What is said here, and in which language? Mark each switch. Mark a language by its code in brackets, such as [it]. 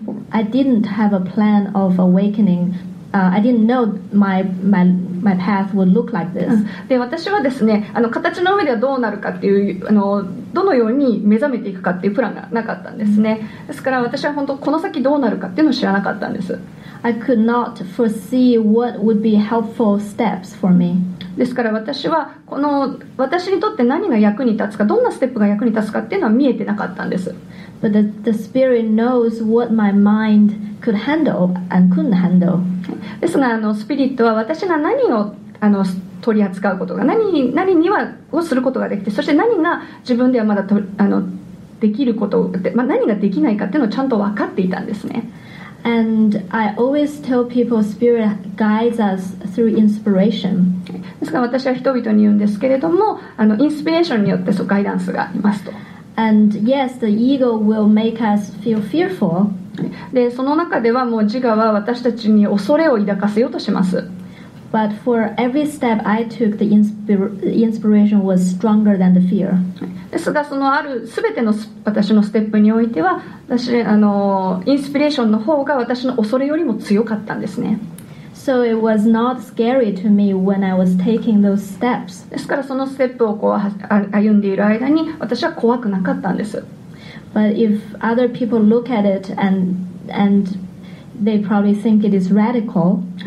[en] I didn't have a plan of awakening. I didn't know my path would look like this. [ja] で、私はですね、あの、形の上ではどうなるかっていう、あの、どのように目覚めていくかっていうプランがなかったんですね。ですから私は本当この先どうなるかっていうのを知らなかったんです。 [en] I could not foresee what would be helpful steps for me. [ja] ですから私はこの私にとって何が役に立つか、どんなステップが役に立つかっていうのは見えてなかったんです。 [en] But the spirit knows what my mind could handle and couldn't handle. [ja] ですが、あの、スピリットは私が何を、あの、取り扱うことが、何にはをすることができて、そして何が自分ではまだと、あの、できることで、まあ、何ができないかっていうのをちゃんと分かっていたんですね。 [en] And I always tell people spirit guides us through inspiration. [ja] ですから私は人々に言うんですけれども、あの、インスピレーションによってそうガイダンスがありますと。 [en] And yes, the ego will make us feel fearful. [ja] で、その中ではもう自我は私たちに恐れを抱かせようとします。 [en] But for every step I took, the inspiration was stronger than the fear. [ja] ですが、そのある全ての私のステップにおいては、私、あの、インスピレーションの方が私の恐れよりも強かったんですね。 [en] So it was not scary to me when I was taking those steps. [ja] ですから、そのステップをこう歩んでいる間に私は怖くなかったんです。 [en] But if other people look at it and they probably think it is radical.